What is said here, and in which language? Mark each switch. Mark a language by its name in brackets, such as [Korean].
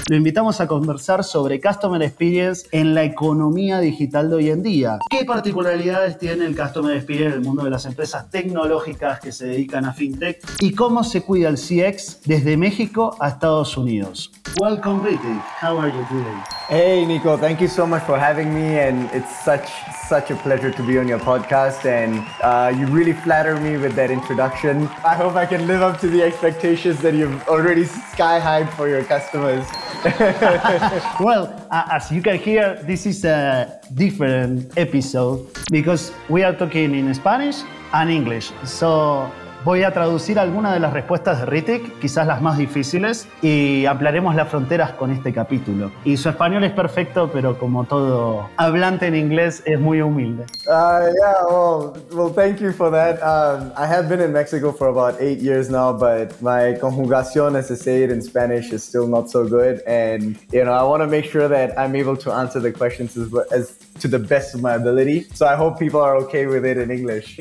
[Spanish] Lo invitamos a conversar sobre Customer Experience en la economía digital de hoy en día. ¿Qué particularidades tiene el Customer Experience en el mundo de las empresas tecnológicas que se dedican a fintech? ¿Y cómo se cuida el CX desde México a Estados Unidos? [English] Welcome, Ritik. How are you doing? Hey, Nico. Thank you so much for having me. And it's such a pleasure to be on your podcast. And you really flatter me with that introduction. I hope I can live up to the expectations that you've already sky-high for your customers. Well, as you can hear, this is a different episode because we are talking in Spanish and English. [Spanish] So voy a traducir algunas de las respuestas de Ritik, quizás las más difíciles, y ampliaremos las fronteras con este capítulo. Y su español es perfecto, pero como todo hablante en inglés, es muy humilde. [English] Well, thank you for that. I have been in Mexico for about 8 years now, but my conjugación, as I say it in Spanish, is still not so good. And, you know, I want to make sure that I'm able to answer the questions as to the best of my ability. So I hope people are okay with it in English.